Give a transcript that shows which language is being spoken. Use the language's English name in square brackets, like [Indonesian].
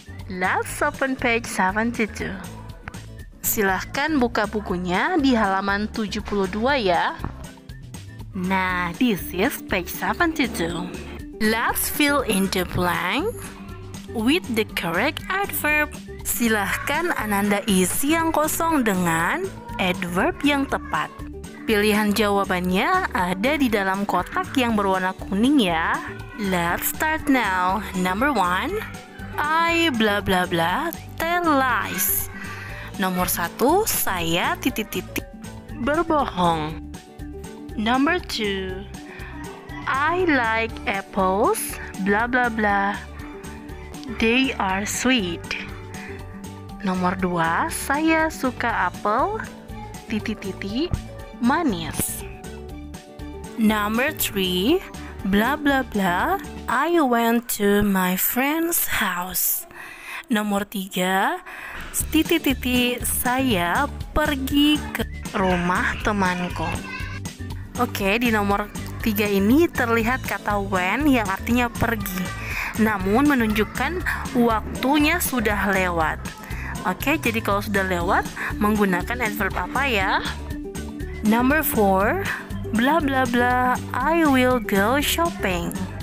[English] Let's open page 72. [Indonesian] Silahkan buka bukunya di halaman 72 ya. [English] Nah, this is page 72. Let's fill in the blank with the correct adverb. [Indonesian] Silahkan Ananda isi yang kosong dengan adverb yang tepat. Pilihan jawabannya ada di dalam kotak yang berwarna kuning ya. [English] Let's start now. Number 1, I blah blah blah tell lies. [Indonesian] Nomor 1, saya titik-titik berbohong. [English] Number 2, I like apples blah blah blah, they are sweet. [Indonesian] Nomor 2, saya suka apel titik-titik manis. [English] Number 3, blah blah blah, I went to my friend's house. [Indonesian] Nomor 3, titik-titik saya pergi ke rumah temanku. Oke, di nomor 3 ini terlihat kata went yang artinya pergi, namun menunjukkan waktunya sudah lewat. Oke, jadi kalau sudah lewat, menggunakan adverb apa ya? [English] Number 4, blah blah blah, I will go shopping.